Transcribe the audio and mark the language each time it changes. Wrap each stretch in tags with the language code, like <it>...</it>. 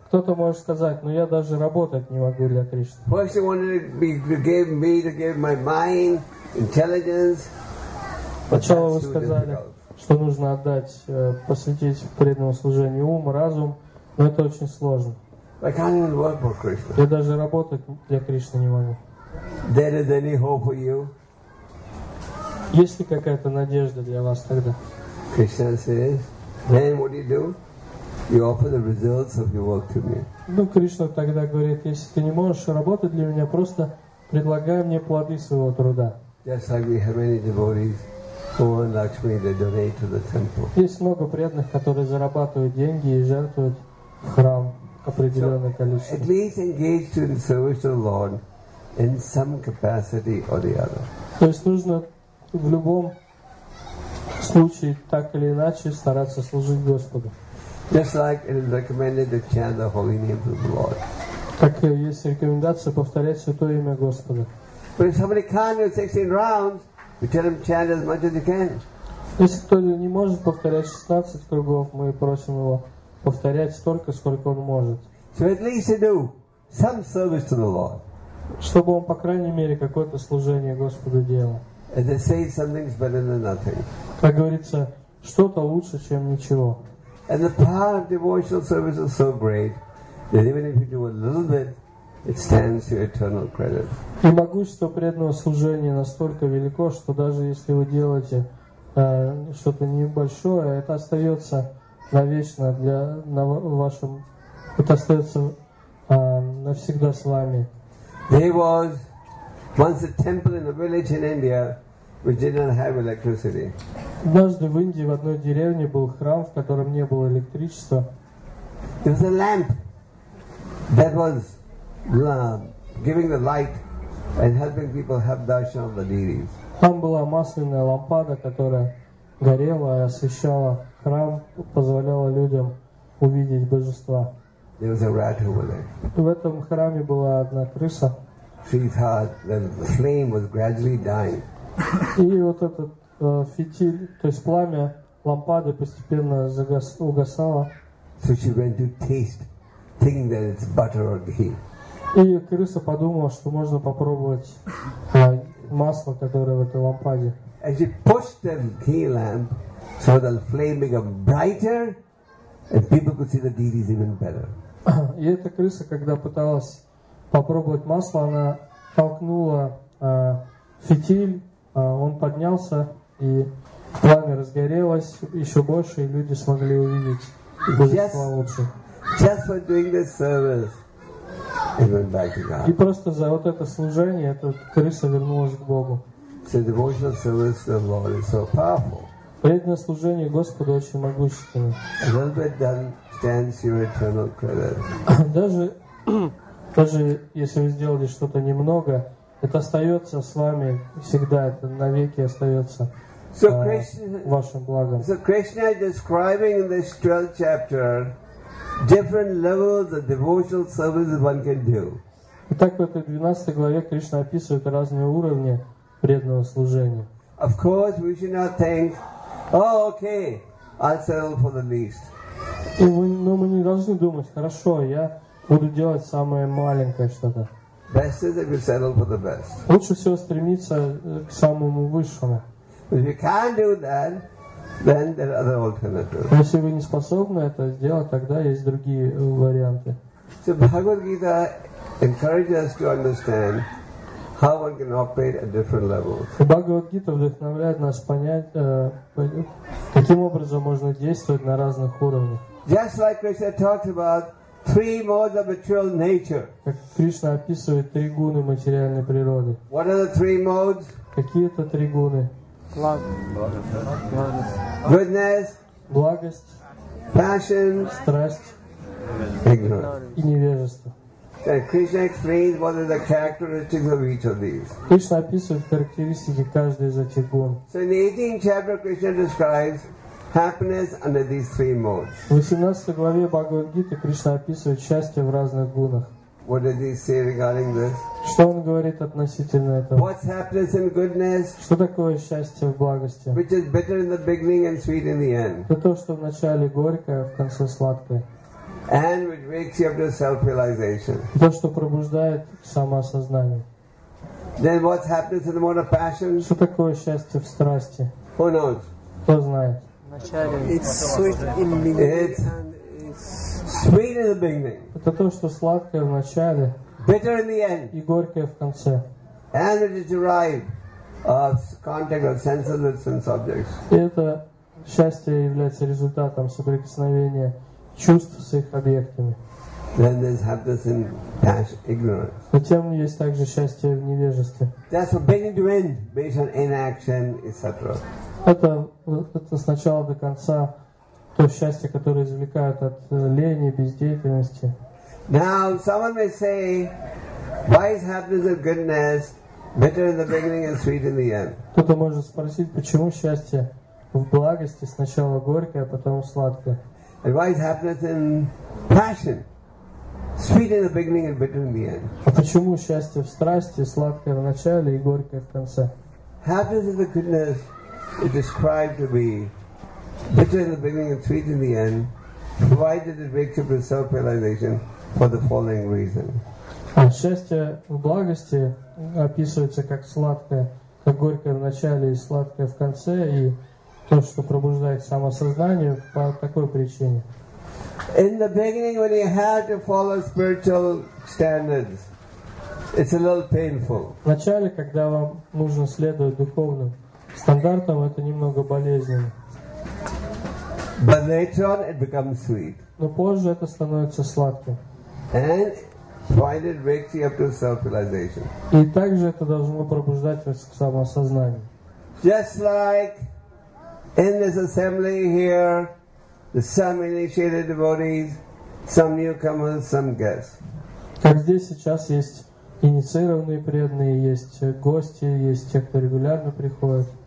<ru>Кто-то может сказать, но я даже работать не могу для Кришны.</ru> <en>First he wanted to give me, to give my mind, intelligence.</en> <ru>Сначала вы сказали, что нужно отдать, посвятить преданному служению ум, разум, но это очень сложно.</ru> <en>I can't even work for Krishna.</en> <ru>Я даже работать для Кришны не могу.</ru> <en>There is any hope for you?</en> <ru>Есть ли какая-то надежда для вас тогда?</ru> <en>Krishna says, then what do you do? You offer the results of your work to me.</en> <ru>Ну, Кришна тогда говорит, если ты не можешь работать для меня, просто предлагай мне плоды своего труда.</ru> <en>Just like we have many devotees who earn Lakshmi, they donate to the temple.</en> <ru>Есть много преданных, которые зарабатывают деньги и жертвуют в храм определенное количество.</ru> <en>At least engage in service to the Lord in some capacity or the other.</en> <ru>То есть нужно в любом случае так или иначе стараться служить Господу.</ru> <en>Just like it is recommended to chant the holy names of the Lord.</en> <ru>Так есть рекомендация повторять святое имя Господа.</ru> <en>But if somebody can't do 16 rounds, you tell him chant as much as you can.</en> <ru>Если кто не может повторять 16 кругов, мы просим его повторять столько, сколько он может.</ru> <en>So at least to do some service to the Lord.</en> <ru>Чтобы он, по крайней мере, какое-то служение Господу делал.</ru> <en>And they say something's better than nothing.</en> <ru>Как говорится, что-то лучше, чем ничего.</ru> <en>And the power of devotional service is so great that even if you do a little bit, it stands to eternal credit.</en> <ru>И могущество преданного служения настолько велико, что даже если вы делаете что-то небольшое, это остается навечно для на вашем, это остается навсегда с вами.</ru> <en>There was once a temple in a village in India which did not have electricity.</en> <ru>Однажды в Индии в одной деревне был храм, в котором не было электричества.</ru> <en>There was a lamp that was giving the light and helping people have darshan of the deities.</en> <ru>Там была масляная лампада, которая горела и освещала храм, позволяла людям увидеть божества.</ru> <en>There was a rat over there.</en> <ru>В этом храме была одна крыса.</ru> <en>She thought that the flame was gradually dying.</en> <ru>И вот этот фитиль, то есть пламя лампады постепенно угасало.</ru> <en>So she went to taste, thinking that it's butter or ghee.</en> <ru>И крыса подумала, что можно попробовать масло, которое в этой лампаде.</ru> <en>And she pushed the ghee lamp so the flame became brighter and people could see the deities even better.</en> <ru>И эта крыса, когда пыталась попробовать масло, она толкнула фитиль, он поднялся, и пламя разгорелось еще больше, и люди смогли увидеть божество лучше.</ru> <en>Just for doing this service, it went back to God.</en> <ru>И просто за вот это служение эта крыса вернулась к Богу.</ru> <en>So devotional service to the Lord is so powerful.</en> <ru>Преданное служение Господу очень могущественно.</ru> <en>A little bit done stands your eternal credit.</en> <ru>Даже если вы сделали что-то немного, это остается с вами всегда, это навеки остается вашим благом.</ru> <en>So Krishna is describing in this 12th chapter different levels of devotional service one can do.</en> <ru>Итак, в этой 12 главе Кришна описывает разные уровни преданного служения.</ru> <en>Of course, we should not think, oh, okay, I'll settle for the least.</en> <ru>Но мы не должны думать, хорошо, я буду делать самое маленькое что-то.</ru> <en>Best is if you settle for the best.</en> <ru>Лучше всего стремиться к самому высшему.</ru> <en>If you can't do that, then there are other alternatives.</en> <ru>Если вы не способны это сделать, тогда есть другие варианты.</ru> <en>So Bhagavad Gita encourages us to understand how one can operate at different levels.</en> <ru>Bhagavad Gita вдохновляет нас понять, каким образом можно действовать на разных уровнях.</ru> <en>Just like Krishna talked about three modes of material nature.</en> <ru>Как Кришна описывает три гуны материальной природы.</ru> <en>What are the three modes?</en> <ru>Какие это три гуны? Благость.</ru> <en>Goodness.</en> <ru>Благость.</ru> <en>Passion.</en> <ru>Страсть.</ru> <en>Ignorance.</en> <ru>И невежество.</ru> <en>And Krishna explains what are the characteristics of each of these.</en> <ru>Кришна описывает характеристики каждой из этих гун.</ru> <en>So in the 18th chapter, Krishna describes happiness under these three modes.</en> <ru>В 18 главе Бхагавад-гиты Кришна описывает счастье в разных гунах.</ru> <en>What did he say regarding this?</en> <ru>Что он говорит относительно этого?</ru> <en>What's happiness in goodness?</en> <ru>Что такое счастье в благости?</ru> <en>Which is bitter in the beginning and sweet in the end.</en> <ru>Это то, что в начале горькое, в конце сладкое.</ru> <en>And which wakes you up to self-realization.</en> <ru>То, что пробуждает самоосознание.</ru> <en>Then what's happiness in the mode of passion?</en> <ru>Что такое счастье в страсти?</ru> <en>Who knows?</en> <ru>Кто знает?</ru> <en>It's sweet in the beginning.</en> <ru>Это то, что сладкое в начале.</ru> <en>Bitter in the end.</en> <ru>И горькое в конце.</ru> <en>And it is derived of contact of senses with sense objects.</en> <ru>И это счастье является результатом соприкосновения чувств с их объектами.</ru> <en>Then there's happiness in ignorance.</en> <ru>Затем есть также счастье в невежестве.</ru> <en>That's from beginning to end, based on inaction, etc.</en> <ru>Это с начала до конца то счастье, которое извлекают от лени, бездеятельности.</ru> <en>Now someone may say, why is happiness of goodness bitter in the beginning and sweet in the end?</en> <ru>Кто-то может спросить, почему счастье в благости сначала горькое, а потом сладкое?</ru> <en>And why is happiness in passion sweet in the beginning and bitter in the end?</en> <ru>А почему счастье в страсти сладкое в начале и горькое в конце?</ru> <en>Happiness of the goodness is described to be bitter in the beginning and sweet in the end, provided it wakes up to self-realization for the following reason.</en> <ru>А счастье в благости описывается как сладкое, как горькое в начале и сладкое в конце, и то, что пробуждает самосознание по такой причине.</ru> <en>In the beginning, when you have to follow spiritual standards, it's a little painful.</en> <ru>В начале, когда вам нужно следовать духовным стандартам, это немного болезненно.</ru> <en>But later on, it becomes sweet.</en> <ru>Но позже это становится сладким.</ru> <en>And find it wakes you up to self-realization.</en> <ru>И также это должно пробуждать вас к самосознанию.</ru> <en>Just like in this assembly here, some initiated devotees, some newcomers, some guests.</en> <ru>Как здесь сейчас есть инициированные преданные, есть гости, есть те, кто регулярно приходит.</ru>